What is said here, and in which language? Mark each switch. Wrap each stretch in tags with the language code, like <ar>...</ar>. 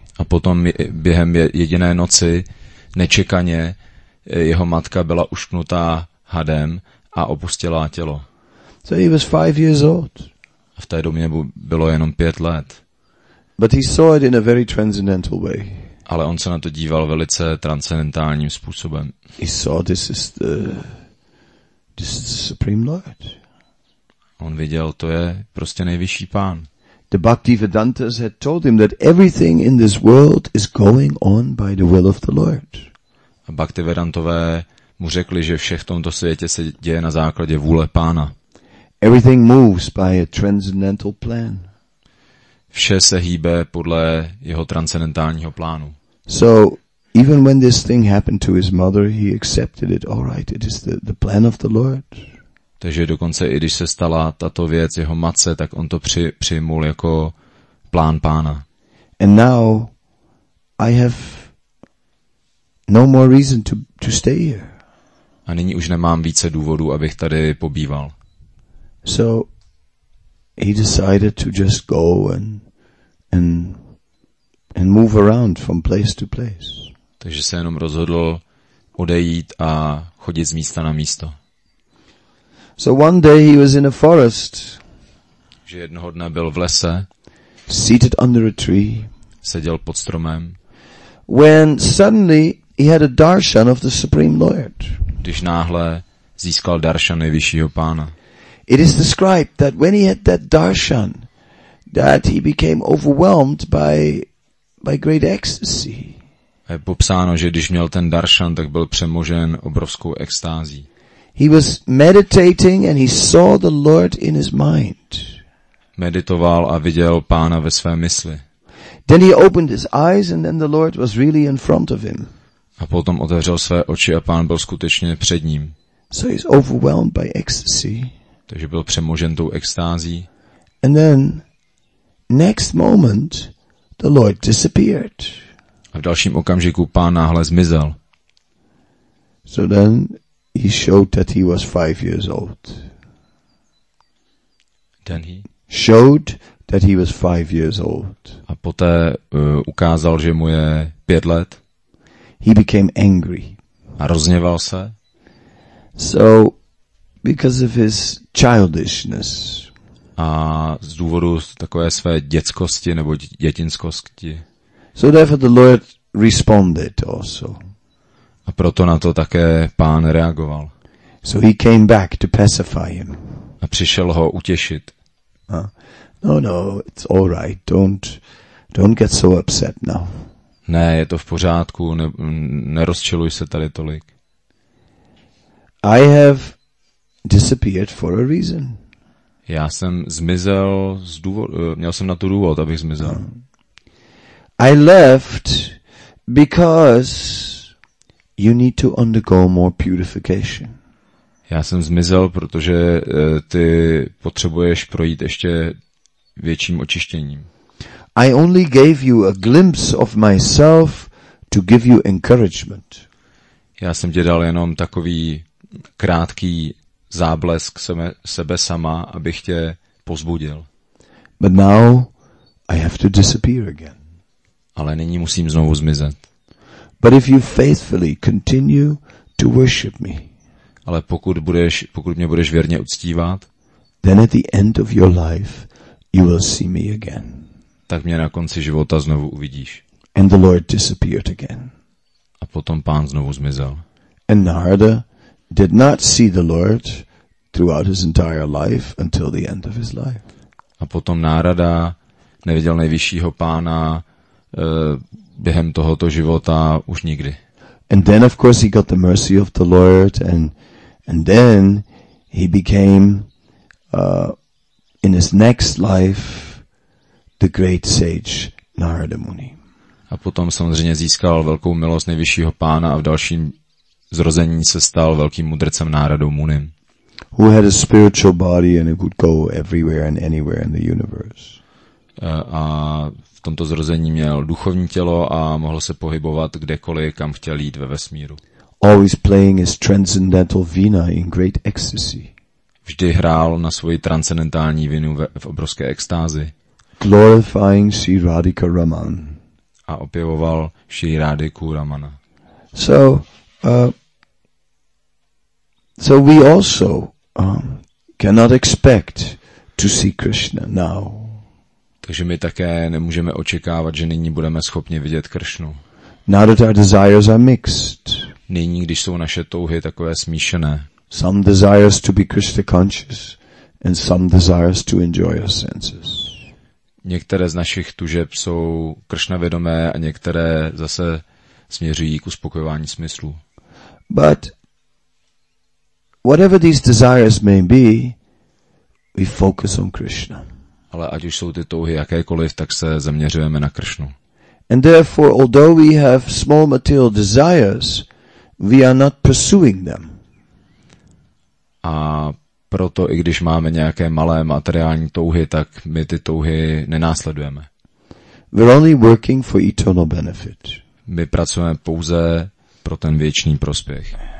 <cs>A potom během jediné noci nečekaně jeho matka byla ušknutá hadem a opustila tělo.</cs> <en>So he was 5 years old.</en> <cs>A v té době bylo jenom 5 let.</cs> <en>But he saw it in a very transcendental way.</en> <cs>Ale on se na to díval velice transcendentálním způsobem.</cs> <en>He saw this is the Supreme Lord.</en> <cs>On viděl, to je prostě nejvyšší pán.</cs> <en>The Bhakti Vedantas had told him that everything in this world is going on by the will of the Lord.</en> <cs>A Bhakti Vedantové mu řekli, že vše v tomto světě se děje na základě vůle pána.</cs> <en>Everything moves by a transcendental plan.</en> <cs>Vše se hýbe podle jeho transcendentálního plánu.</cs> <en>So even when this thing happened to his mother, he accepted it. All right, it is the plan of the Lord.</en> <cs>Takže dokonce i když se stala tato věc jeho matce, tak on to přijmul jako plán pána.</cs> <en>And now I have no more reason to stay here.</en> <cs>A nyní už nemám více důvodů, abych tady pobýval.</cs> <en>So he decided to just go and move around from place to place.</en> <cs>Takže se jenom rozhodl odejít a chodit z místa na místo.</cs> <en>So one day he was in a forest.</en> <cs>Že jednoho dne byl v lese.</cs> <en>Seated under a tree.</en> <cs>Seděl pod stromem.</cs> <en>When suddenly he had a darshan of the Supreme Lord.</en> <cs>Když náhle získal darshan nejvyššího pána.</cs> <en>It is described that when he had that darshan, that he became overwhelmed by great ecstasy.</en> <cs>Je popsáno, že když měl ten darshan, tak byl přemožen obrovskou extází.</cs> <en>He was meditating and he saw the Lord in his mind.</en> <cs>Meditoval a viděl pána ve své mysli.</cs> <en>Then he opened his eyes and then the Lord was really in front of him.</en> <cs>A potom otevřel své oči a pán byl skutečně před ním.</cs> <en>So he's overwhelmed by ecstasy.</en> <cs>Takže byl přemožen tou extází.</cs> <en>And then, next moment, the Lord disappeared.</en> <cs>A v dalším okamžiku pán náhle zmizel.</cs> <en>So then he showed that he was 5 years old. Then he showed that he was 5 years old.</en> <cs>A poté ukázal, že mu je 5 let.</cs> <en>He became angry.</en> <cs>A rozněval se.</cs> <en>So because of his childishness.</en> <cs>A z důvodu takové své dětskosti nebo dětinskosti.</cs> <en>So therefore the Lord responded also.</en> <cs>A proto na to také pán reagoval.</cs> <en>So he came back to pacify him.</en> <cs>A přišel ho utěšit.</cs> <en>No, no, it's all right. Don't get so upset now.</en> <cs>Ne, je to v pořádku, nerozčiluj se tady tolik.</cs> <en>I have disappeared for a reason.</en> <cs>Já jsem zmizel z důvodu, měl jsem na to důvod, abych zmizel.</cs> <en>I left because you need to undergo more purification.</en> <cs>Já jsem zmizel, protože ty potřebuješ projít ještě větším očištěním.</cs> <en>I only gave you a glimpse of myself to give you encouragement.</en> <cs>Já jsem ti dal jenom takový krátký záblesk sebe sama, abych tě pozbudil.</cs> <en>But now I have to disappear again.</en> <cs>Ale nyní musím znovu zmizet.</cs> <en>But if you faithfully continue to worship me.</en> <cs>Ale pokud mě budeš věrně uctívat,</cs> <en>then at the end of your life you will see me again.</en> <cs>Tak mě na konci života znovu uvidíš.</cs> <en>And the Lord disappeared again.</en> <cs>A potom pán znovu zmizel.</cs> <en>And Narada did not see the Lord throughout his entire life until the end of his life.</en> <cs>A potom Narada neviděl nejvyššího pána během tohoto života už nikdy.</cs> <en>And then of course he got the mercy of the Lord and then he became in his next life the great sage Narada Muni.</en> <cs>A potom samozřejmě získal velkou milost nejvyššího pána a v dalším zrození se stal velkým mudrcem Narada Muni.</cs> <en>Who had a spiritual body and it could go everywhere and anywhere in the universe.</en> <cs>A v tomto zrození měl duchovní tělo a mohl se pohybovat kdekoliv, kam chtěl jít ve vesmíru.</cs> <en>Always playing his transcendental vina in great ecstasy.</en> <cs>Vždy hrál na svoji transcendentální vinu v obrovské extázi.</cs> <en>Glorifying Sri Radhika Raman.</en> <cs>A opěvoval Sri Radhiku Ramana.</cs> <en>So we also cannot expect to see Krishna now.</en> <cs>Takže my také nemůžeme očekávat, že nyní budeme schopni vidět Kršnu.</cs> <en>Now that our desires are mixed.</en> <cs>Nyní, když jsou naše touhy takové smíšené.</cs> <en>Some desires to be Krishna conscious and some desires to enjoy our senses.</en> <cs>Některé z našich tužeb jsou Kršna vědomé a některé zase směřují k uspokojování smyslů.</cs> <en>But whatever these desires may be, we focus on Krishna.</en> <cs>Ale ať už jsou ty touhy jakékoliv, tak se zaměřujeme na Kršnu.</cs> <en>And therefore, although we have small material desires, we are not pursuing them.</en> <cs>A proto, i když máme nějaké malé materiální touhy, tak my ty touhy nenásledujeme.</cs> <en>We're only working for eternal benefit.</en> <cs>My pracujeme pouze pro ten věčný prospěch.</cs>